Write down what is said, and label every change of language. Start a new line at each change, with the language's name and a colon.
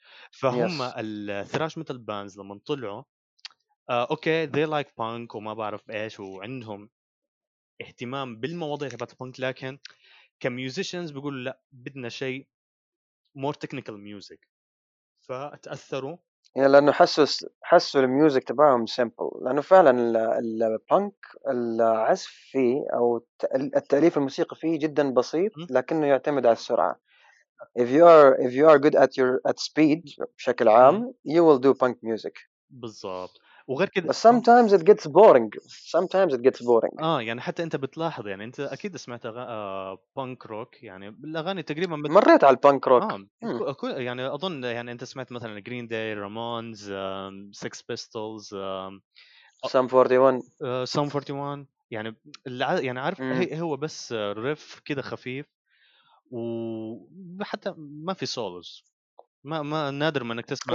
Arabic: فهم الثراش ميتال باندز لما طلعوا اوكي
English: they like punk
Arabic: وما بعرف ايش وعندهم اهتمام بالمواضيع تبعت البانك، لكن كميوزيشنز بيقولوا لا بدنا شيء مور تكنيكال ميوزك. فتاثروا يعني لانه حسوا الميوزك تبعهم سيمبل، لانه فعلا البانك العزف فيه او التاليف الموسيقي فيه جدا بسيط لكنه يعتمد على السرعه.
English: if you are good at your at speed
Arabic: بشكل عام
English: you will do punk music
Arabic: بالضبط. وغير كده
English: sometimes it gets boring sometimes it gets boring.
Arabic: يعني حتى انت بتلاحظ، يعني انت اكيد سمعت بانك روك، يعني الاغاني تقريبا مريت على البانك روك. يعني اظن يعني انت سمعت مثلا جرين داي، رامونز، سكس بيستولز، سام 41 يعني يعني عارف هو بس ريف كده خفيف وحتى ما في سولز، ما نادر ما انك تسمع.